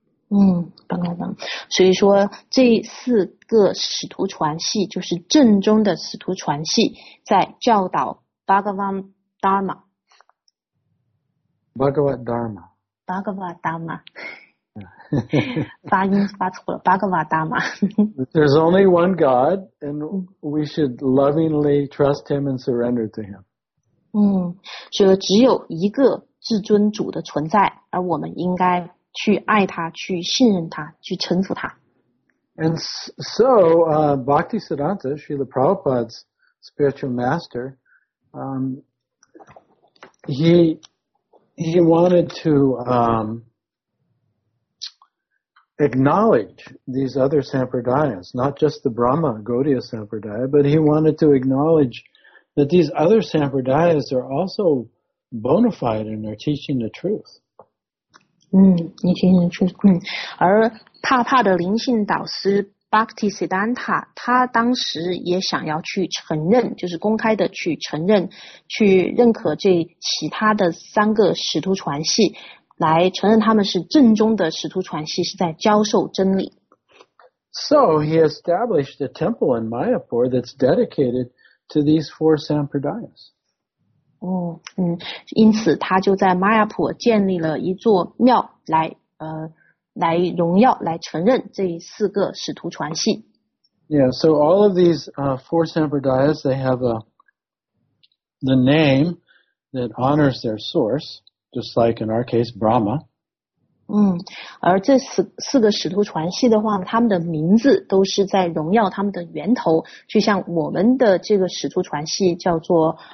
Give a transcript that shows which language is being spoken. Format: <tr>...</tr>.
<zh>嗯，刚刚讲，所以说这四个使徒传系就是正宗的使徒传系，在教导 Bhagavad Dharma。 Bhagavad Dharma。 Bhagavad Dharma。 发音发错了 ，Bhagavad Dharma。</zh> <en>There's only one God, and we should lovingly trust Him and surrender to Him.</en> <zh>嗯，所以只有一个至尊主的存在，而我们应该。去爱他，去信任他，去臣服他。</zh> <en>And so, Bhaktisiddhanta, Srila Prabhupada's spiritual master, he wanted to acknowledge these other sampradayas, not just the Brahma Gaudiya sampradaya, but he wanted to acknowledge that these other sampradayas are also bona fide and are teaching the truth.</en> <zh>嗯，你听清楚。嗯，而帕帕的灵性导师 Bhaktisiddhanta 他当时也想要去承认，就是公开的去承认，去认可这其他的三个使徒传系，来承认他们是正宗的使徒传系，是在教授真理。</zh> <en>So he established a temple in Mayapur that's dedicated to these four sampradayas.</en> <zh>嗯，因此他就在玛雅普建立了一座庙来来荣耀来承认这四个使徒传系。</zh> <en>Yeah, so all of these four sampradayas, they have the name that honors their source, just like in our case, Brahma.</en> <zh>嗯，而这四个使徒传系的话，他们的名字都是在荣耀他们的源头，就像我们的这个使徒传系叫做。</zh>